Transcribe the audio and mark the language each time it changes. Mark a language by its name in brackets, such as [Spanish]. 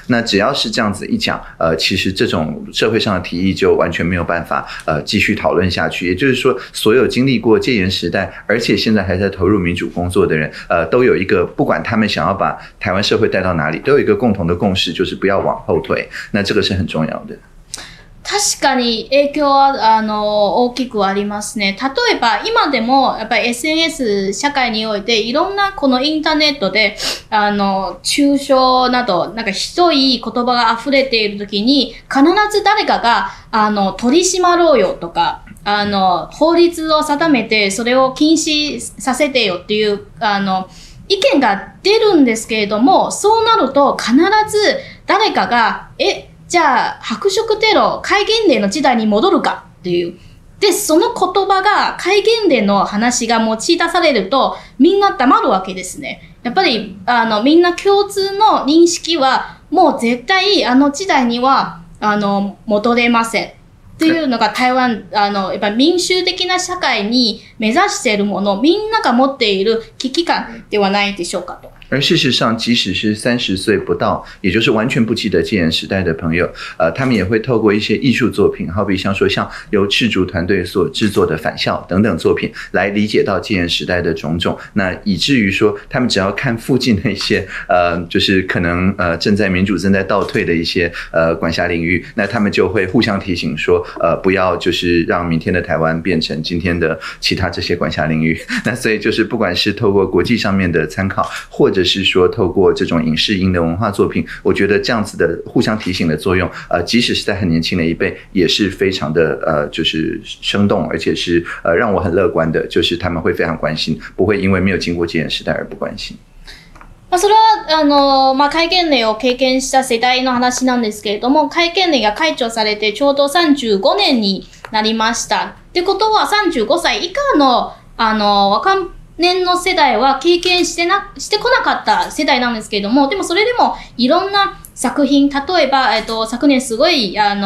[Chinese] 那只要是这样子一讲，其实这种社会上的提议就完全没有办法继续讨论下去。也就是说，所有经历过戒严时代而且现在还在投入民主工作的人，都有一个，不管他们想要把台湾社会带到哪里，都有一个共同的共识，就是不要往后退，那这个是很重要的。 [Japanese] 確かに影響は大きくありますね。例えば今でもやっぱり SNS 社会においていろんなこのインターネットで抽象などなんかひどい言葉が溢れているときに、必ず誰かが取り締まろうよとか法律を定めてそれを禁止させてよっていう意見が出るんですけれども、そうなると必ず誰かが、え、じゃあ白色テロ戒厳令の時代に戻るかっていう。でその言葉が戒厳令の話が持ち出されるとみんな黙るわけですね。やっぱりみんな共通の認識はもう絶対時代には戻れませんっていうのが台湾やっぱ民衆的な社会に目指しているものみんなが持っている危機感ではないでしょうかと。 [Chinese] 而事实上，即使是30岁不到，也就是完全不记得戒严时代的朋友，他们也会透过一些艺术作品，好比像说像由赤竹团队所制作的《返校》等等作品，来理解到戒严时代的种种。那以至于说，他们只要看附近那些就是可能正在民主正在倒退的一些管辖领域，那他们就会互相提醒说，不要就是让明天的台湾变成今天的其他这些管辖领域。那所以就是不管是透过国际上面的参考，或者是说透过这种影视音的文化作品，我觉得这样子的互相提醒的作用，即使是在很年轻的一辈，也是非常的就是生动，而且是让我很乐观的，就是他们会非常关心，不会因为没有经过戒严时代而不关心。 [Japanese] まあ、それは、戒厳令を経験した世代の話なんですけれども、戒厳令が解除されてちょうど35年になりました。ってことは35歳以下の、年の世代は経験してな、してこなかった世代なんですけれども、でもそれでもいろんな作品、例えば、昨年すごい、